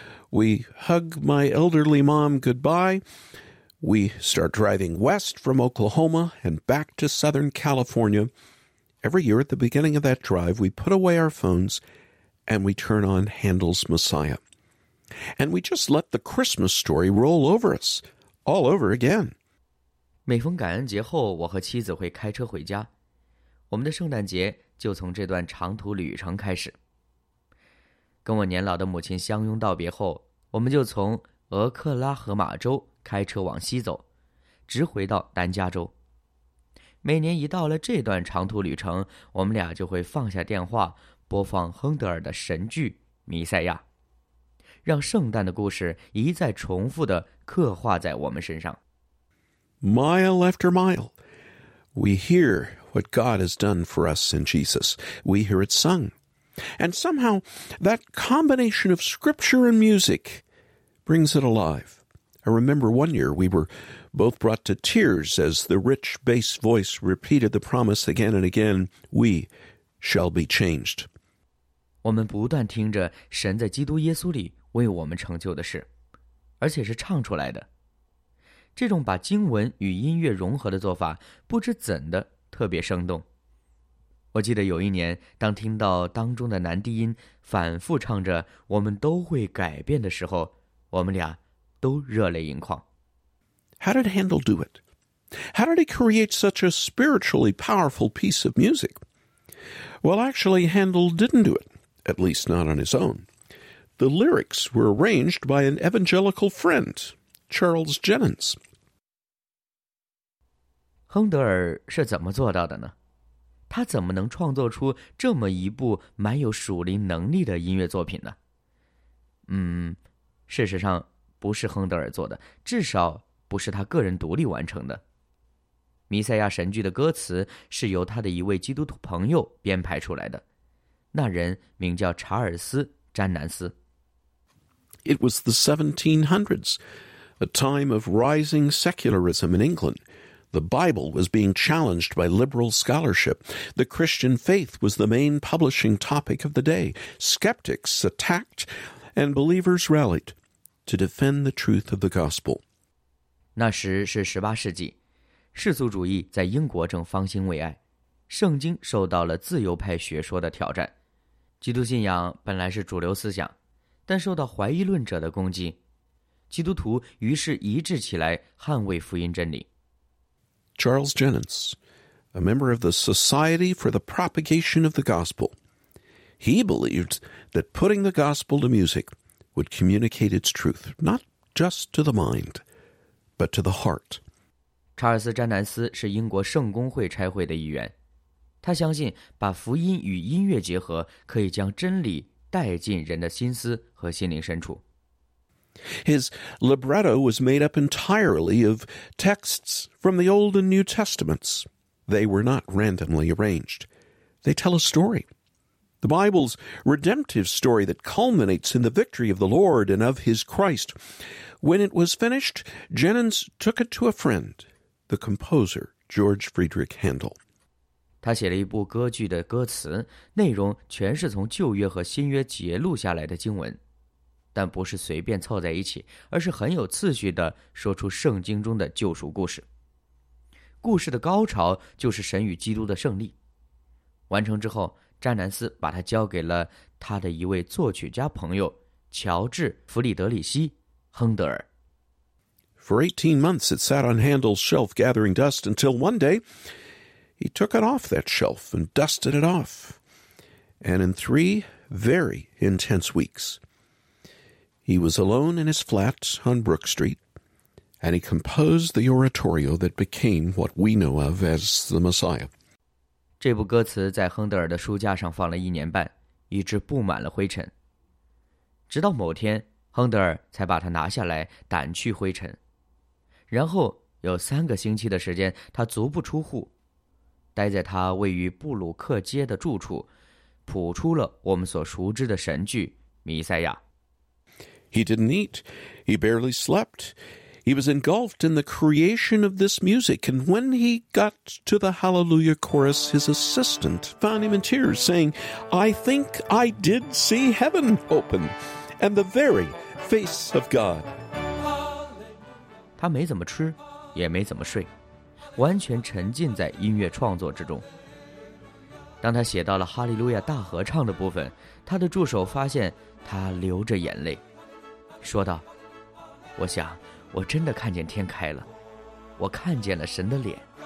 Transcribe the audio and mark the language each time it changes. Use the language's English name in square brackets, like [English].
[English] We hug my elderly mom goodbye. We start driving west from Oklahoma and back to Southern California. Every year at the beginning of that drive, we put away our phones and we turn on Handel's Messiah. And we just let the Christmas story roll over us all over again. [Chinese] 每逢感恩节后，我和妻子会开车回家。我们的圣诞节就从这段长途旅程开始。跟我年老的母亲相拥道别后，我们就从俄克拉荷马州开车往西走，直回到南加州。每年一到了这段长途旅程，我们俩就会放下电话，播放亨德尔的神剧《弥赛亚》，让圣诞的故事一再重复地刻画在我们身上。 [English] Mile after mile, we hear... What God has done for us in Jesus, we hear it sung. And somehow, that combination of scripture and music brings it alive. I remember one year we were both brought to tears as the rich bass voice repeated the promise again and again, we shall be changed. [Chinese] 我们不断听着神在基督耶稣里为我们成就的事，而且是唱出来的。这种把经文与音乐融合的做法，不知怎的特别生动。我记得有一年，当听到当中的男低音反复唱着“我们都会改变”的时候，我们俩都热泪盈眶。 [English] How did Handel do it? How did he create such a spiritually powerful piece of music? Well, actually, Handel didn't do it, at least not on his own. The lyrics were arranged by an evangelical friend, Charles Jennings. [Chinese] 亨德尔是怎么做到的呢？他怎么能创作出这么一部蛮有属灵能力的音乐作品呢？事实上不是亨德尔做的，至少不是他个人独立完成的。弥赛亚神剧的歌词是由他的一位基督徒朋友编排出来的，那人名叫查尔斯·詹南斯。 [English] It was the 1700s, a time of rising secularism in England. The Bible was being challenged by liberal scholarship. The Christian faith was the main publishing topic of the day. Skeptics attacked, and believers rallied to defend the truth of the gospel. [Chinese] 那时是18世纪，世俗主义在英国正方兴未艾，圣经受到了自由派学说的挑战。基督信仰本来是主流思想，但受到怀疑论者的攻击，基督徒于是一致起来捍卫福音真理。 [English] Charles Jennens, a member of the Society for the Propagation of the Gospel, he believed that putting the gospel to music would communicate its truth, not just to the mind, but to the heart. [Chinese] 查尔斯·詹南斯是英国圣公会差会的一员，他相信把福音与音乐结合可以将真理带进人的心思和心灵深处。 [English] His libretto was made up entirely of texts from the Old and New Testaments. They were not randomly arranged. They tell a story. The Bible's redemptive story that culminates in the victory of the Lord and of his Christ. When it was finished, Jennens took it to a friend, the composer George Friedrich Handel. [Chinese] 他写了一部歌剧的歌词，内容全是从旧约和新约截录下来的经文。但不是随便凑在一起，而是很有次序地说出圣经中的救赎故事。故事的高潮就是神与基督的胜利。完成之后，詹南斯把它交给了他的一位作曲家朋友乔治·弗里德里希·亨德尔。 [English] For 18 months it sat on Handel's shelf gathering dust until one day he took it off that shelf and dusted it off. And in 3 very intense weeks,He was alone in his flat on Brook Street, and he composed the oratorio that became what we know of as the Messiah. [Chinese] 这部歌词在亨德尔的书架上放了一年半，一直布满了灰尘。直到某天，亨德尔才把它拿下来，掸去灰尘。然后有三个星期的时间，他足不出户，待在他位于布鲁克街的住处，谱出了我们所熟知的神剧《弥赛亚》。 [English] He didn't eat. He barely slept. He was engulfed in the creation of this music. And when he got to the Hallelujah chorus, his assistant found him in tears, saying, I think I did see heaven open and the very face of God. [Chinese] 他没怎么吃，也没怎么睡，完全沉浸在音乐创作之中。当他写到了哈利路亚大合唱的部分，他的助手发现他流着眼泪。说道，我想我真的看见天开了，我看见了神的脸。